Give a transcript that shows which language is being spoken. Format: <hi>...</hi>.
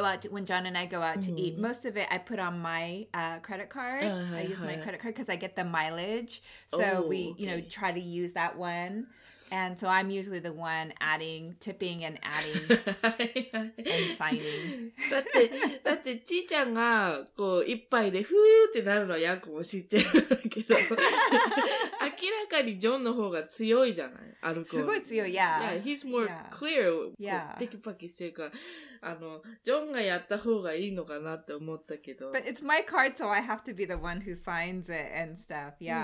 <en>when John and I go out to eat, most of it I put on my credit card. I use my credit card because I get the mileage. So we try to use that one. And so I'm usually the one tipping and adding and signing.</en> <ja>だってちーちゃんがこう一杯でふーってなるのヤコも知ってるけど、明らかにジョンの方が強いじゃない？アルコール。すごい強い。Yeah,</ja> <en>he's more clear.</en> <ja>テキパキしてるから。ジョンがやった方がいいのかなって思ったけど。</ja> <en>But it's my card, so I have to be the one who signs it and stuff.</en>